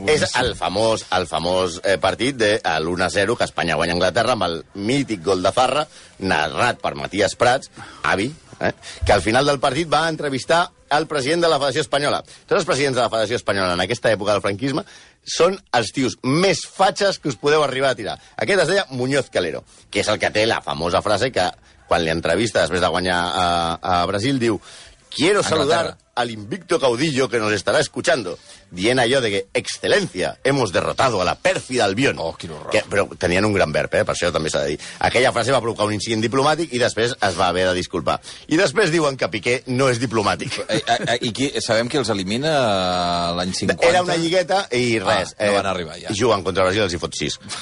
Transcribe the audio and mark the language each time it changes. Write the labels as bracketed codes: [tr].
[ca] és el famós partit de l'1-0 que Espanya guanya Anglaterra amb el mític gol de Zarra, narrat per Matías Prats, avi, que al final del partit va entrevistar el president de la Federació Espanyola. Tots els presidents de la Federació Espanyola en aquesta època del franquisme són els tios més fatxes que us podeu arribar a tirar. Aquest es deia Muñoz Calero, que és el que té la famosa frase que quan li entrevista després de guanyar a Brasil diu, [es] quiero saludar al invicto caudillo que nos estará escuchando. Diena y yo de que, excelencia, hemos derrotado a la pérfida Albión. [ca] Oh, quin horror. Que, però tenien un gran verb, per això també s'ha de dir. Aquella frase va provocar un incident diplomàtic i després es va haver de disculpar. I després diuen que Piqué no és diplomàtic. I qui, sabem qui els elimina l'any 50? Era una lligueta i res. Ah, no van arribar ja. Juguen contra el Brasil i els hi fot 6.